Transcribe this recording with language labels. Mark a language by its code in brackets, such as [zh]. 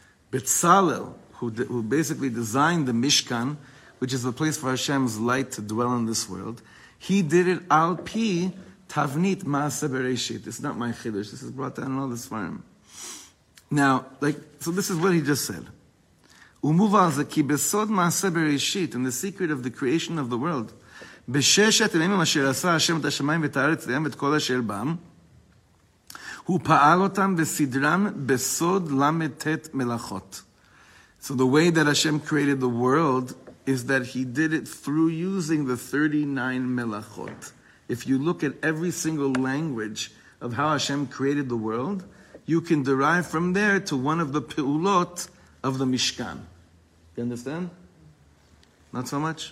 [en] Bezalel, who basically designed the mishkan, which is the place for Hashem's light to dwell in this world, he did it [he] al pi tavnit ma'aseh bereshit. [en] It's not my chiddush. This is brought down in all this farm. Now, so this is what he just said. [he] Umuval ze ki besod ma'aseh bereshit, [en] in the secret of the creation of the world, [he] בששת ימים אשר עשה השם את השמיים ואת הארץ לים ואת כל אשר בם, הוא פעל אותם בסדרם בסוד למתת מלאכות. [en] So the way that Hashem created the world is that he did it through using the 39 מלאכות. If you look at every single language of how Hashem created the world, you can derive from there to one of the פעולות of the Mishkan. You understand? Not so much?